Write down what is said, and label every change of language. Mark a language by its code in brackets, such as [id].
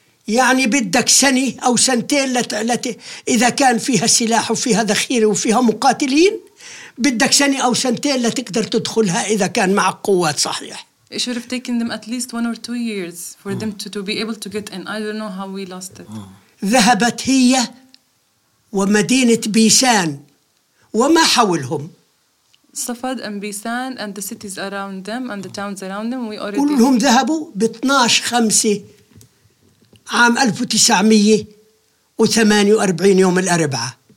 [ar] يعني بدك سنة أو سنتين إذا كان فيها سلاح وفيها ذخيرة وفيها مقاتلين بدك سنة أو سنتين لتقدر تدخلها إذا كان معك قوات صحيح. [en] It should have taken them at least one or two years for them to be able to get in. I don't know how we lost it. [ar] ذهبت هي ومدينة بيسان وما حولهم. [en] صفد and بيسان and the cities around them and the towns around them we already. [ar] كلهم ذهبوا ب 12/5 عام 1948 يوم الأربعاء.